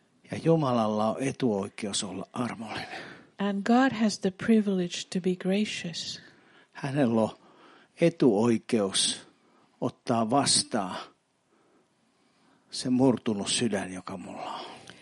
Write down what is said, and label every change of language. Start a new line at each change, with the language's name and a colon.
Finnish: Ja Jumalalla on etuoikeus olla armollinen.
English: And God has the privilege to be gracious.
Finnish: Hänellä on etuoikeus ottaa vastaan se murtunut sydän, joka mulla on.